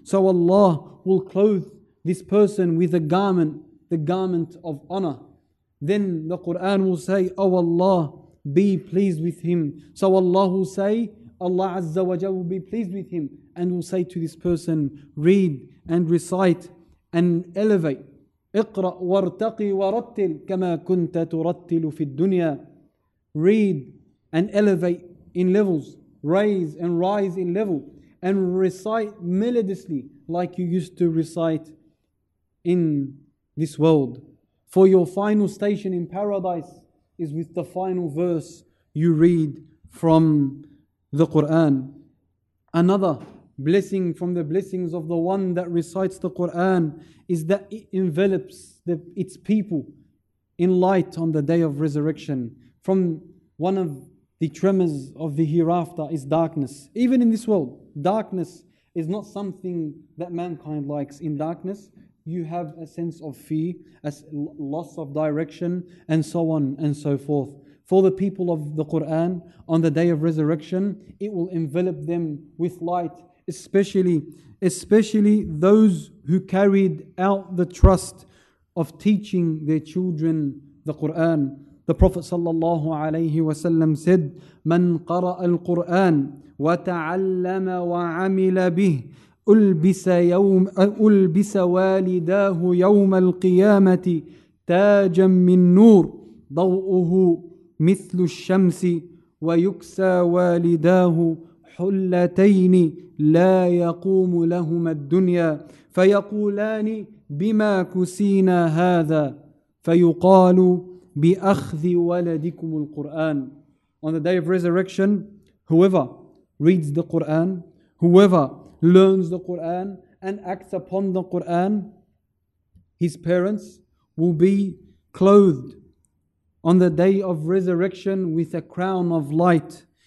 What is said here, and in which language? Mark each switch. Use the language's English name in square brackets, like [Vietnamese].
[English] So Allah will clothe this person with a garment, the garment of honor. Then the Qur'an will say, O Allah, be pleased with him. So Allah will say, Allah Azza wa Jal will be pleased with him and will say to this person, read and recite and elevate. [Arabic] اقرأ وارتقي ورتل كما كنت ترتل في الدنيا. [English] Read and elevate in levels. Raise and rise in level and recite melodiously like you used to recite in this world. For your final station in paradise is with the final verse you read from the Qur'an. Another blessing from the blessings of the one that recites the Qur'an is that it envelops its people in light on the day of resurrection from one of the tremors of the hereafter is darkness. Even in this world, darkness is not something that mankind likes. In darkness, you have a sense of fear, a loss of direction, and so on and so forth. For the people of the Qur'an, on the day of resurrection, it will envelop them with light, especially those who carried out the trust of teaching their children the Qur'an. The Prophet sallallahu alayhi wa sallam said, [Arabic] من قرأ القرآن وتعلم وعمل به ألبس والداه يوم القيامة تاجا من نور ضوءه مثل الشمس ويكسى والداه حلتين لا يقوم لهما الدنيا فيقولان بما كسينا هذا فيقال بأخذ ولدكم القرآن. [English] On the day of resurrection, whoever reads the Qur'an, whoever learns the Qur'an and acts upon the Qur'an, his parents will be clothed on the day of resurrection with a crown of light.